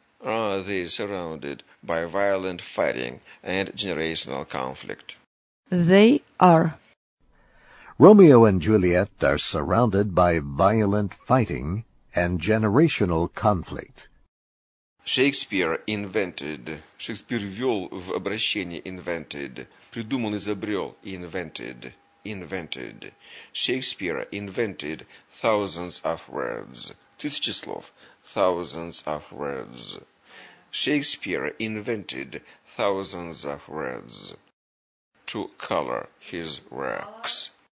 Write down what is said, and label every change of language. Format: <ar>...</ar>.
<en>Are they surrounded by violent fighting and generational conflict? They are. Romeo and Juliet are surrounded by violent fighting and generational conflict. Shakespeare invented.</en> <ru>Shakespeare ввел в обращение</ru> <en>invented.</en> <ru>Придумал, изобрел.</ru> <en>Invented. Invented. Shakespeare invented thousands of words.</en> <ru>Тысячи слов.</ru> <en>Thousands of words. Shakespeare invented thousands of words to color his works.</en>